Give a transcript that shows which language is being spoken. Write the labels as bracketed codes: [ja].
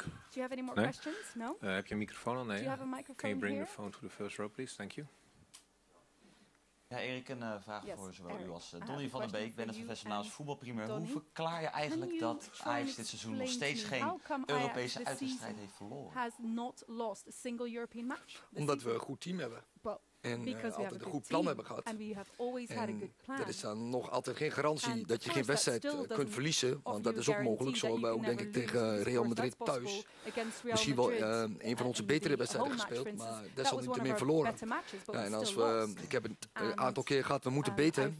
[en] Do you have any more questions? No? [nl] Heb je een microfoon al? Nee. [en] Do you have a microphone? Can you bring here? Your phone to the first row, please? Thank you. [nl] Ja, Erik, een vraag voor zowel u als Donny van den Beek. Ben het professor naast voetbalprimeur. Hoe verklaar je eigenlijk dat Ajax dit seizoen nog steeds geen Europese uitwedstrijd heeft verloren? [en] Has not lost a single European match this season? [nl] Omdat we een goed team hebben. En altijd een goed plan hebben gehad. En er is dan nog altijd geen garantie dat je geen wedstrijd kunt verliezen. Want dat is ook mogelijk. Zo hebben wij ook denk ik tegen Real Madrid thuis. Misschien wel een van onze betere wedstrijden gespeeld. Maar desalniettemin verloren. Ik heb het een aantal keer gehad. We moeten beter.